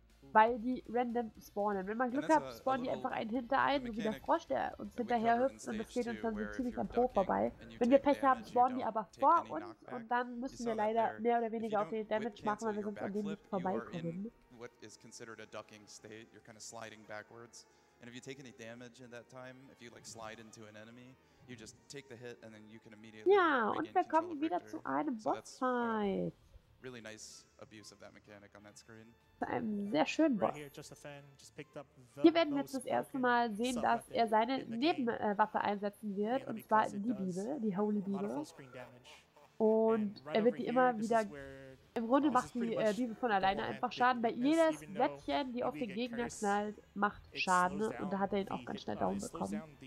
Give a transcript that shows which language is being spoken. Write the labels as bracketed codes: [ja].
[de] Weil die random spawnen. Wenn man Glück hat, spawnen die einfach einen hinter einen, so wie der Frosch, der uns hinterher hüpft, und das geht uns dann so ziemlich am Po vorbei. Wenn wir Pech haben, spawnen die aber vor uns, und dann müssen wir leider mehr oder weniger auf den Damage machen, weil wir sonst an dem nicht vorbeikommen. [en] What is considered a ducking state, you're kind of sliding backwards. And if you take any damage in that time, if you like slide into an enemy, you just take the hit and then you can immediately. [de] Ja, und wir kommen wieder zu einem Bossfight. [en] Really nice abuse of that mechanic on that screen. [de] Einem sehr schönen Boss. Hier werden wir jetzt das erste Mal sehen, dass er seine Nebenwaffe einsetzen wird, und zwar die Bibel, die Holy Bibel. Und er wird die immer wieder. Im Grunde macht die Bibel von alleine einfach Schaden. Bei jedes Blättchen, die auf den Gegner knallt, macht Schaden, und da hat er ihn auch ganz schnell down bekommen.